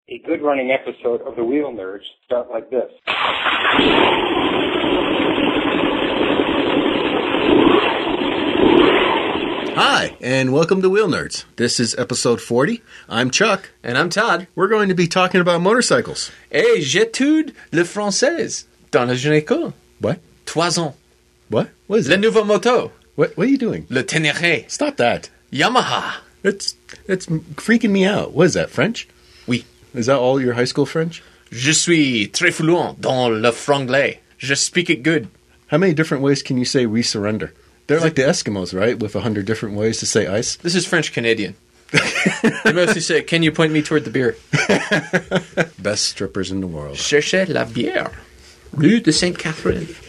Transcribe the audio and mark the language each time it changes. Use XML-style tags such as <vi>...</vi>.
<en>A good running episode of The Wheel Nerds start like this. Hi, and welcome to Wheel Nerds. This is episode 40. I'm Chuck. And I'm Todd. We're going to be talking about motorcycles.</en> <fr>Et j'étude le français dans la jeune école.</fr> <en>What?</en> <fr>Trois ans.</fr> <en>What? What is it?</en> <fr>Le nouveau moto.</fr> <en>What are you doing?</en> <fr>Le Ténéré.</fr> <en>Stop that. Yamaha. It's freaking me out. What is that, French?</en> <fr>Oui.</fr> <en>Is that all your high school French?</en> <fr>Je suis très</fr> <en>fluent</en> <fr>dans le franglais. Je</fr> <en>speak it good. How many different ways can you say we surrender? They're like the Eskimos, right? With 100 different ways to say ice. This is French Canadian. They mostly say, can you point me toward the beer? Best strippers in the world.</en> <fr>Cherchez la bière. Rue de Sainte-Catherine.</fr>